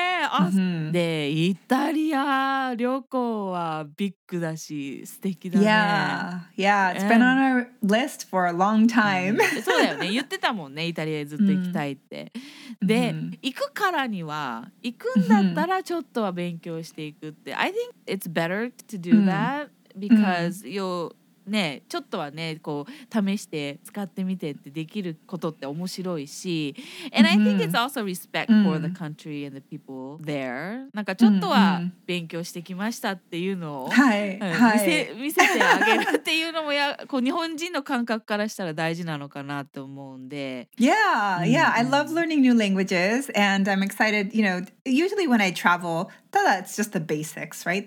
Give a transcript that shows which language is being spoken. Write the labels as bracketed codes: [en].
[ja] あ、で、イタリア旅行はビッグだし、素敵だね。 [en] Yeah, yeah. It's been on our list for a long time. [ja] そうだよね。言ってたもんね。イタリアずっと行きたいって。で、行くからには、行くんだったらちょっとは勉強していくって。 [en] I think it's better to do that because you'll... [ja] ね、ちょっとはねこう試して使ってみてってできることって面白いし、mm-hmm. [en] And I think it's also respect for the country and the people there. [ja] なんかちょっとは勉強してきましたっていうのを、見せてあげるっていうのもやこう日本人の感覚からしたら大事なのかなと思うんで。 [en] Yeah, yeah. I love learning new languages and I'm excited, you know, usually when I travel,That's just the basics, right?